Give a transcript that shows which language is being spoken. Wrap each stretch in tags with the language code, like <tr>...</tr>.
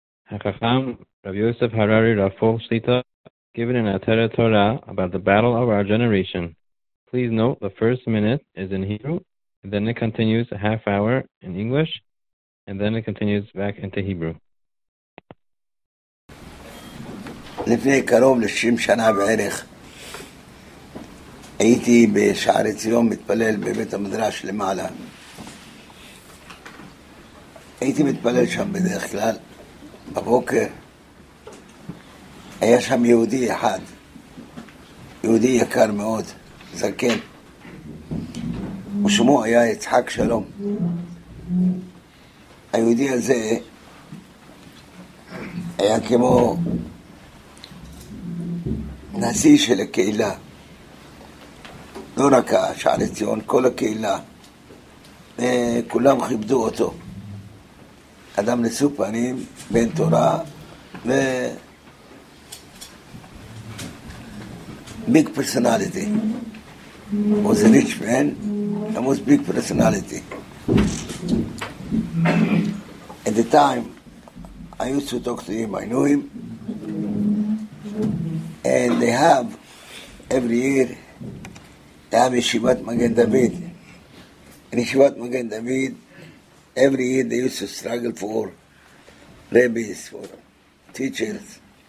<en>Hakakam, Rabbi Yosef Harari Rafo Shlita, given in Ateret Torah about the battle of our generation. Please note the first minute is in Hebrew, and then it continues a half hour in English, and then it continues back into Hebrew.</en> <he>לפני קרוב ל-60 שנה בערך, הייתי בשערי ציון מתפלל בבית המדרש למעלה. הייתי מתפלל שם בדרך כלל, בבוקר. היה שם יהודי אחד, יהודי יקר מאוד, זקן. ושמו היה יצחק שלום. היהודי הזה היה כמו נשיא של הקהילה, לא רק שערי ציון, כל הקהילה, כולם כיבדו אותו. אדם נשוא פנים, בן תורה,</he> <en>ביג פרסונליטי.</en> <he>הוא זה</he> <en>ריץ' מן, למוס ביג פרסונליטי. At the time, I used to talk to him, I knew him. And they have, every year, they have Yeshivat Magen David. And Yeshivat Magen David, every year they used to struggle for rabbis, for teachers.</en>